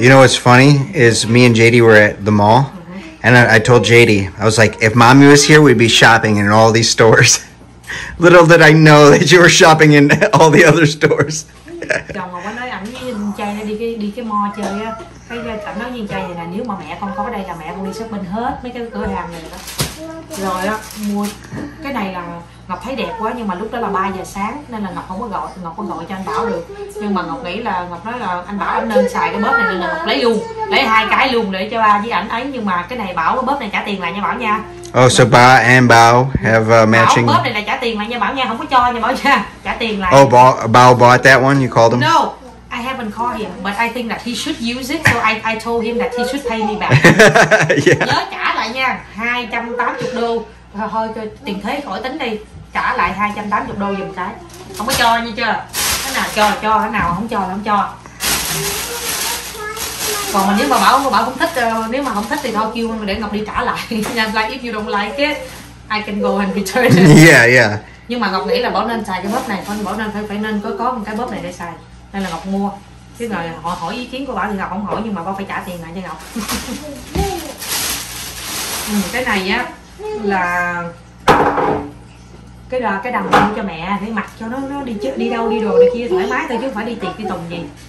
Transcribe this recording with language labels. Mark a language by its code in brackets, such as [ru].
[en] You know what's funny is me and JD were at the mall. And I told JD, I was like, if mommy was here, we'd be shopping in all these stores. Little did I know that you were shopping in all the other stores. [vi] Chồng Ngọc nói ảnh với trai đi cái mall chơi á. Cái ảnh nói với trai này là nếu mà mẹ con có ở đây là mẹ con đi shopping hết mấy cái cửa hàng này đó. Rồi á, mua cái này là Ngọc thấy đẹp quá, nhưng mà lúc đó là 3 giờ sáng nên là Ngọc không có gọi cho anh Bảo được. Nhưng mà Ngọc nghĩ là Ngọc nói là anh Bảo anh nên xài cái bóp này nên là Ngọc lấy luôn. Lấy hai cái luôn để cho ba với ảnh ấy. Nhưng mà cái này Bảo cái bóp này trả tiền lại nha Bảo nha. [en] Oh, so ba and Bảo have a matching. [vi] Bảo bóp này là trả tiền lại nha Bảo nha, không có cho nha Bảo nha. Trả tiền lại. [en] Oh, Bảo bought that one, you called him? No, I haven't called him, but I think that he should use it, so I told him that he should pay me back. Yeah. [vi] Nhớ trả lại nha, 280 đô. Thôi cho tiền thế khỏi tính đi. Trả lại 280 đô giùm cái. Không có cho nha chưa. Cái nào cho, cái nào không cho là không cho. Còn mình nếu mà bảo không thích, nếu mà không thích thì thôi kêu để Ngọc đi trả lại. [en] Like if you don't like it, I can go and return it. Yeah, yeah. [vi] Nhưng mà Ngọc nghĩ là Bảo nên xài cái bóp này, Bảo nên phải nên có một cái bóp này để xài. Nên là Ngọc mua. Chứ rồi họ hỏi ý kiến của Bảo thì Ngọc không hỏi, nhưng mà Bảo phải trả tiền lại cho Ngọc. Cái này á là cái đó, cái đầm cho mẹ để mặc cho nó đi chơi, đi đâu đi đồ này kia thoải mái thôi chứ không phải đi tiệc đi tùng gì.